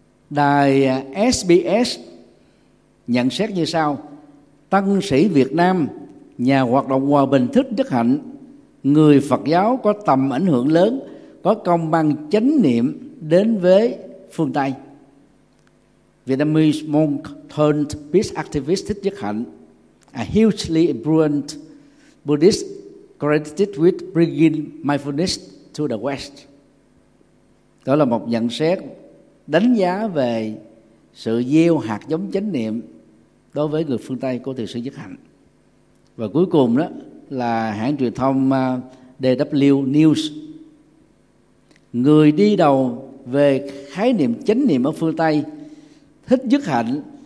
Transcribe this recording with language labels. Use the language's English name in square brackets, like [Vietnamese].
[Vietnamese] Đài SBS nhận xét như sau: tăng sĩ Việt Nam, nhà hoạt động hòa bình Thích Đức Hạnh, người Phật giáo có tầm ảnh hưởng lớn, có công bằng chánh niệm đến với phương Tây. [English] Vietnamese monk turned peace activist Thích Đức Hạnh, a hugely influent Buddhist credited with bringing mindfulness to the West. [Vietnamese] Đó là một nhận xét đánh giá về sự gieo hạt giống chánh niệm đối với người phương Tây của thầy sư Nhất Hạnh. Và cuối cùng đó là hãng truyền thông DW News, người đi đầu về khái niệm chánh niệm ở phương Tây, Thích Nhất Hạnh